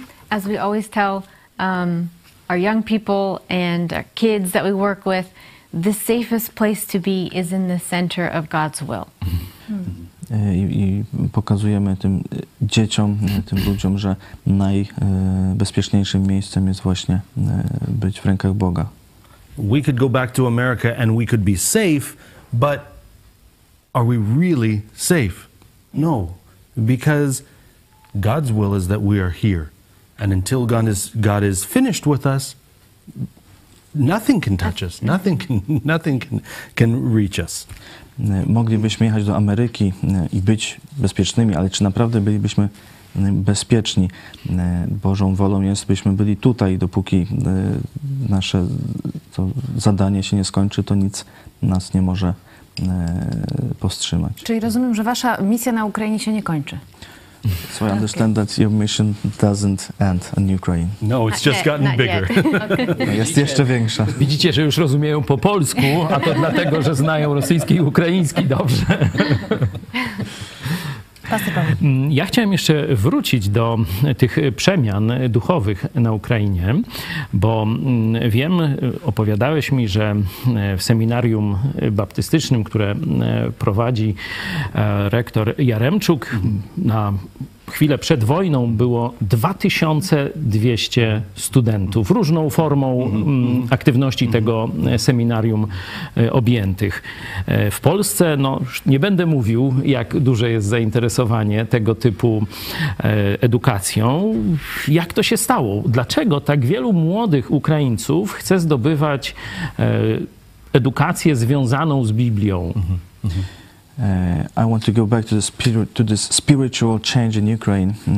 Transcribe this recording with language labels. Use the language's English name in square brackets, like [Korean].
[English] As we always tell our young people and our kids that we work with, the safest place to be is in the center of God's will. [Polish] I pokazujemy tym dzieciom, tym ludziom, że najbezpieczniejszym miejscem jest właśnie być w rękach Boga. [English] We could go back to America and we could be safe, but are we really safe? No, because God's will is that we are here. And until God is finished with us, nothing can touch us. Nothing can reach us. [Polish] Moglibyśmy jechać do Ameryki i być bezpiecznymi, ale czy naprawdę bylibyśmy bezpieczni? Bożą wolą jest, byśmy byli tutaj, dopóki nasze to zadanie się nie skończy, to nic nas nie może powstrzymać. Czyli rozumiem, że wasza misja na Ukrainie się nie kończy. [English] So I understand okay. that your mission doesn't end in Ukraine. No, it's just gotten bigger. [Polish] Okay. Jest jeszcze większa. Widzicie, że już rozumieją po polsku, a to dlatego, że znają rosyjski i ukraiński dobrze. Ja chciałem jeszcze wrócić do tych przemian duchowych na Ukrainie, bo wiem, opowiadałeś mi, że w seminarium baptystycznym, które prowadzi rektor Jaremczuk, na chwilę przed wojną było 2200 studentów różną formą aktywności tego seminarium objętych. W Polsce, no nie będę mówił, jak duże jest zainteresowanie tego typu edukacją. Jak to się stało? Dlaczego tak wielu młodych Ukraińców chce zdobywać edukację związaną z Biblią? [English] I want to go back to this spiritual change in Ukraine.